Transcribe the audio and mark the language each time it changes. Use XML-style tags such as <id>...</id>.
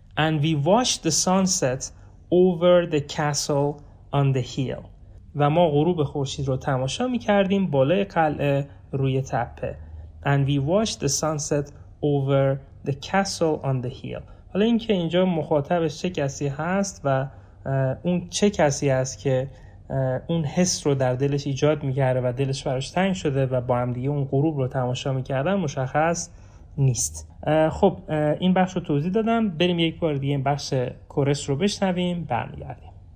<en>And we watched the sunset over the castle on the hill.</en> <fa>و ما غروب خورشید رو تماشا میکردیم بالای قلعه روی تپه.</fa> <en>And we watched the sunset over the castle on the hill.</en> <fa>حالا این که اینجا مخاطبش چه کسی هست و اون چه کسی هست که اون حس رو در دلش ایجاد میکرده و دلش براش تنگ شده و با هم دیگه اون غروب رو تماشا میکردن مشخص نیست. خب این بخش رو توضیح دادم، بریم یک بار دیگه این بخش کورس رو بشنویم برمیگردیم.</fa>